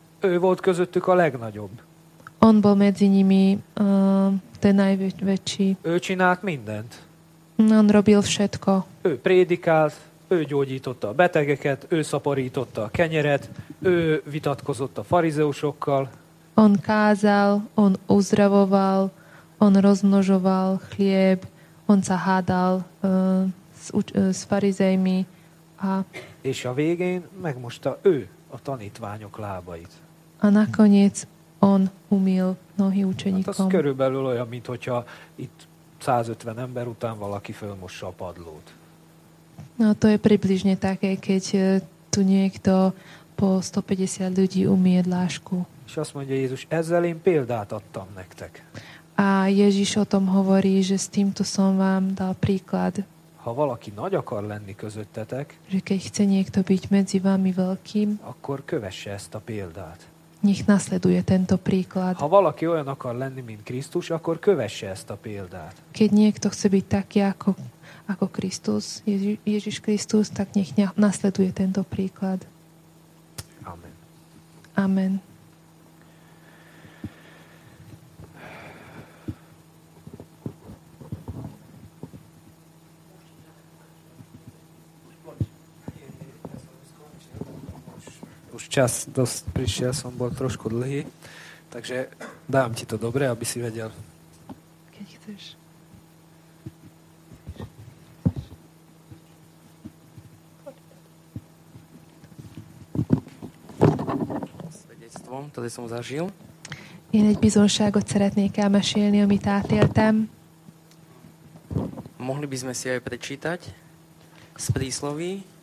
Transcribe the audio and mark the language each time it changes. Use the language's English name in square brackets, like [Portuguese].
[Hungarian] Ő volt közöttük a legnagyobb. [Slovak] On bol medzi nimi ten najväčší. [Hungarian] Ő csinált mindent. [Slovak] On robil všetko. [Hungarian] Ő prédikált, ő gyógyította a betegeket, ő szaporította a kenyeret, ő vitatkozott a farizeusokkal. [Slovak] On kázal, on uzdravoval, on rozmnožoval chlieb, on sa hádal s farizejmi. [Hungarian] És a végén megmosta ő a tanítványok lábait. [Slovak] A nakoniec on umýl nohy učeníkom. [Hungarian] Hát az körülbelül olyan, mint hogyha itt 150 ember után valaki fölmossa a padlót. [Slovak] No, to je približne také, keď tu niekto po 150 ľudí umýje dlášku. [Hungarian] És azt mondja Jézus, ezzel én példát adtam nektek. [Slovak] A Ježiš o tom hovorí, že s týmto som vám dal príklad. [Hungarian] Ha valaki nagy akar lenni közöttetek, [Slovak] že keď chce niekto byť medzi vámi veľkým, [Hungarian] akkor kövesse ezt a példát. [Slovak] Nech nasleduje tento príklad. [Hungarian] Ha valaki olyan akar lenni, mint Krisztus, akkor kövesse ezt a példát. [Slovak] Keď niekto chce byť taký, ako Kristus, Ježiš Kristus, tak nech nasleduje tento príklad. [Hungarian] Amen. [Slovak] Amen. Už čas dosť prišiel, som bol trošku dlhý, takže dám ti to dobre, aby si vedel. Keď chceš. Svedectvom, tady som zažil. [Hungarian] Én egy bizonságot szeretnék elmesélni, amit átéltem. [Slovak] Mohli by sme si aj prečítať z Prísloví.